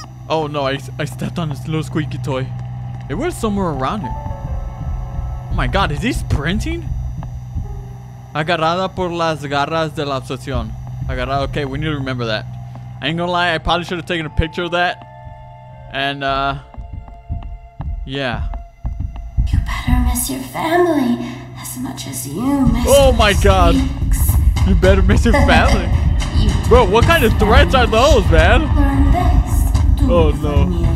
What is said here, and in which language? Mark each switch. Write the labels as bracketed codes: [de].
[en] Oh no, I stepped on this little squeaky toy. It was somewhere around here. Oh my god, is he sprinting? [es] Agarrada por las garras de la obsesión. [en] Agarrada, okay, we need to remember that. I ain't gonna lie, I probably should have taken a picture of that. And, yeah. You better miss your family as much as you miss. Oh my god. Phoenix. You better miss your family. Bro, what kind of threats are those, man? Oh no.